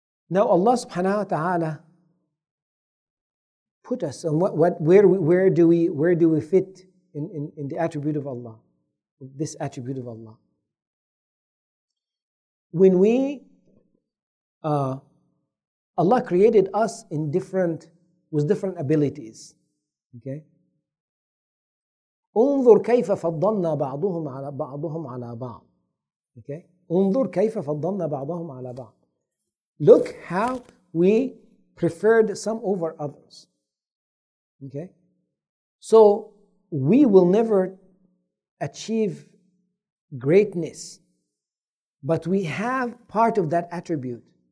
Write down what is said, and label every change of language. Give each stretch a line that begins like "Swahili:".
English: Now Allah subhanahu wa ta'ala put us on where do we fit in the attribute of Allah, this attribute of Allah. When we Allah created us in different with different abilities. Okay.
Arabic: انظر كيف فضلنا بعضهم على بعضهم على بعض.
English: Okay.
Arabic: انظر كيف فضلنا بعضهم على بعض.
English: Look how we preferred some over others. Okay. So we will never achieve greatness, but we have part of that attribute.